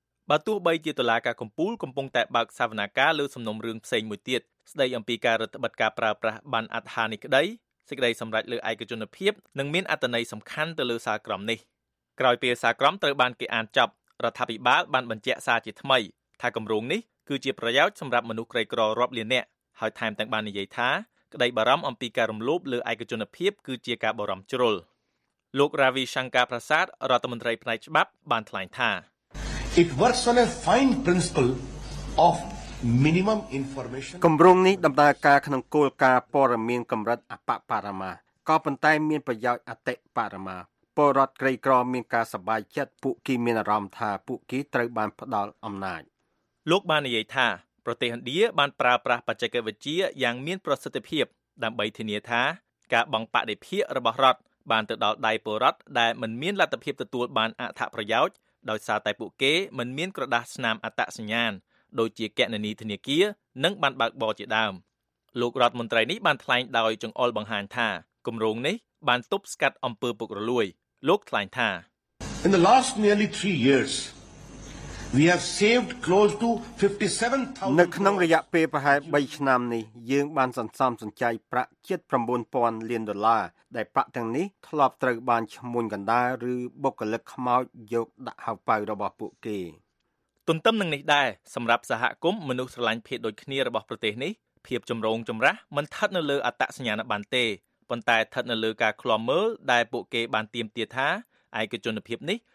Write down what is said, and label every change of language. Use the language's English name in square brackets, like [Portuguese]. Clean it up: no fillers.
[Khmer] បើទោះបីជាតុលាការកំពូលកំពុងតែបើកសវនកម្មលើសំណុំរឿងផ្សេងមួយទៀតស្ដីអំពីការរដ្ឋបិទការប្រើប្រាស់បានអត្ថានេះក្ដីសេចក្ដីសម្រេចលើឯកជនភាពនឹងមានអត្ថន័យសំខាន់ទៅលើសារក្រមនេះក្រោយពីសារក្រមត្រូវបានគេអានចប់រដ្ឋាភិបាលបានបញ្ជាក់សារជាថ្មីថាគម្រោងនេះគឺជាប្រយោជន៍សម្រាប់មនុស្សក្រីក្ររាប់លាននាក់ហើយថែមទាំងបាននិយាយថាក្តីបារម្ភអំពីការរំលោភលើឯកជនភាពគឺជាការបារម្ភជ្រុលលោក Ravi Shankar Prasad រដ្ឋមន្ត្រីផ្នែកច្បាប់បានថ្លែងថា [English] It works on a fine principle of minimum information [Khmer] គម្រោងនេះដំណើរការក្នុងគោលការណ៍ព័ត៌មានកម្រិតអបបរមាក៏ប៉ុន្តែមានប្រយោជន៍អតិបរមាពលរដ្ឋក្រីក្រមានការសប្បាយចិត្តពួកគេមានអារម្មណ៍ថាពួកគេត្រូវបានផ្ដល់អំណាច លោកបាននិយាយថាប្រទេសឥណ្ឌាបានប្រើប្រាស់បច្ចេកវិទ្យាយ៉ាងមានប្រសិទ្ធភាពដើម្បីធានាថាការបង់ប្រាក់ដោយភាគរបស់រដ្ឋបានទៅដល់ដៃពលរដ្ឋដែលមិនមានលទ្ធភាពទទួលបានអត្ថប្រយោជន៍ដោយសារតែពួកគេមិនមានក្រដាសស្នាមអត្តសញ្ញាណដូចជាគណនីធនាគារនិងបានបើកបរជាដើមលោករដ្ឋមន្ត្រីនេះបានថ្លែងដោយចង្អុលបង្ហាញថាគម្រោងនេះបានទប់ស្កាត់អំពើពុករលួយលោកថ្លែងថា [English] In the last nearly 3 years we have saved close to 57,000 [Khmer] នៅក្នុងរយៈពេលប្រហែល3ឆ្នាំនេះយើងបានសន្សំសំចៃប្រាក់ជិត 9,000 លានដុល្លារដែលប្រាក់ទាំងនេះធ្លាប់ត្រូវបានឈ្មួញកណ្ដាលឬបុគ្គលិកខ្មោចយកដាក់ហៅប៉ៅរបស់ពួកគេ ទន្ទឹមនឹងនេះដែរសម្រាប់សហគមន៍មនុស្សស្រឡាញ់ភេទដូចគ្នារបស់ប្រទេសនេះភាពចម្រូងចម្រាសមិនថិតនៅលើអត្តសញ្ញាណបានទេប៉ុន្តែថិតនៅលើការឃ្លាំមើលដែលពួកគេបានទាមទារថាឯកជនភាពនេះ